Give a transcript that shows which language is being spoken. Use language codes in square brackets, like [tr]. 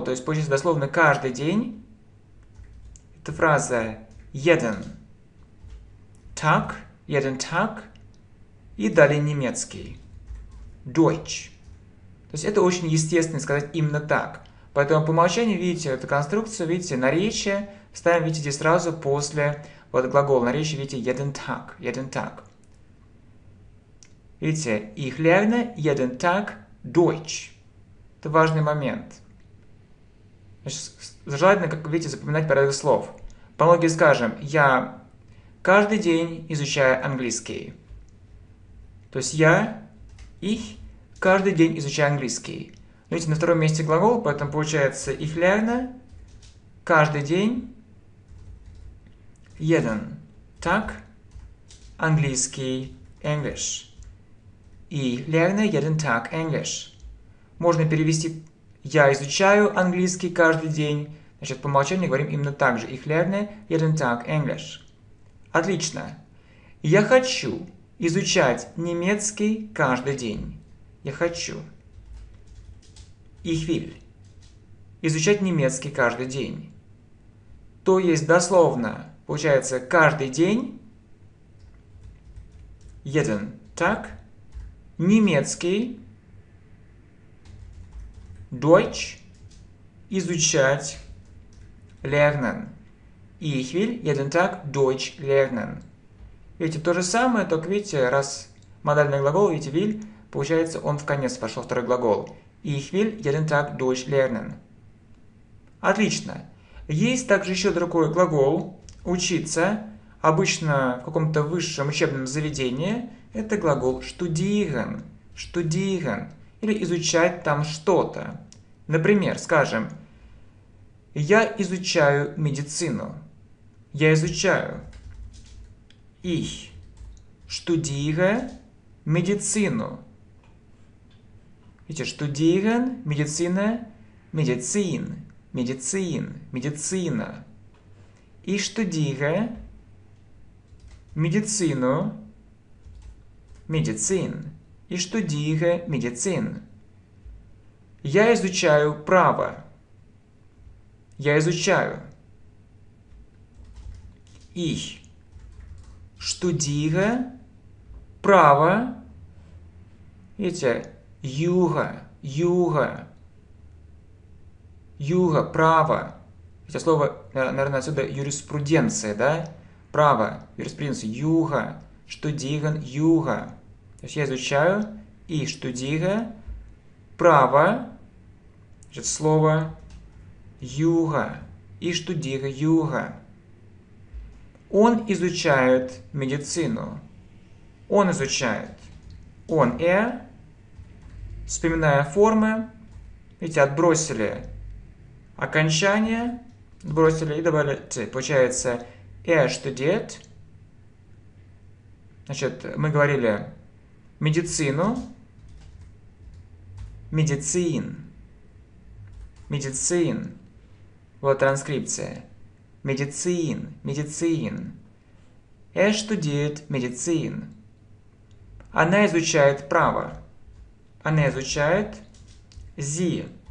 [ru] То есть, получается, дословно, каждый день. Это фраза [de] jeden Tag, jeden Tag, [ru] и далее немецкий, [de] Deutsch. [ru] То есть это очень естественно сказать именно так. Поэтому по умолчанию, видите, эту конструкцию, видите, наречие, ставим, видите, здесь сразу после вот глагола, наречие, видите, [de] jeden Tag, jeden Tag. [ru] Видите, [de] ich lerne jeden Tag Deutsch. [ru] Это важный момент. Значит, желательно, как видите, запоминать порядок слов. По аналогии скажем, я каждый день изучаю английский. То есть я, [de] ich, [ru] каждый день изучаю английский. Видите, на втором месте глагол, поэтому получается [de] ich lerne, [ru] каждый день, [de] jeden Tag, [ru] английский, English. [de] Ich lerne jeden Tag English. [ru] Можно перевести я изучаю английский каждый день. Значит, по умолчанию говорим именно так же. [de] Ich lerne jeden Tag English. [ru] Отлично. Я хочу изучать немецкий каждый день. Я хочу. [de] Ich will. [ru] Изучать немецкий каждый день. То есть, дословно, получается, каждый день. [de] Jeden Tag. [ru] Немецкий. [de] Deutsch. [ru] Изучать. [de] Lernen. Ich will jeden Tag Deutsch lernen. [ru] Видите, то же самое, только видите, раз модальный глагол, видите, will, получается, он в конец пошел, второй глагол. [de] Ich will jeden Tag Deutsch lernen. [ru] Отлично. Есть также еще другой глагол учиться, обычно в каком-то высшем учебном заведении. Это глагол studieren. Studieren. Или изучать там что-то. Например, скажем, я изучаю медицину. Я изучаю. [de] Ich studiere [ru] медицину. Видите, studieren, медицина, медицин, медицин, медицина. [de] Ich studiere [ru] медицину, медицин. [de] Ich studiere [ru] медицин. Я изучаю право. Я изучаю. [de] Ich studiere [ru] право. Видите? [de] Jura. Jura. Jura. [ru] Право. Это слово, наверное, отсюда юриспруденция, да? Право. Юриспруденция. [de] Jura. Studieren. Jura. [ru] То есть я изучаю. [de] Ich studiere [ru] право. Значит, слово... Юга. И студига Юга. Он изучает медицину. Он изучает. Он и. Вспоминая формы. Видите, отбросили окончание. Отбросили и добавили т. Получается, [de] er studiert. [ru] Значит, мы говорили медицину. Медицин. Медицин. Вот транскрипция. Медицин. Медицин. [de] Er studiert Medizin. [ru] Она изучает право. Она изучает. Sie.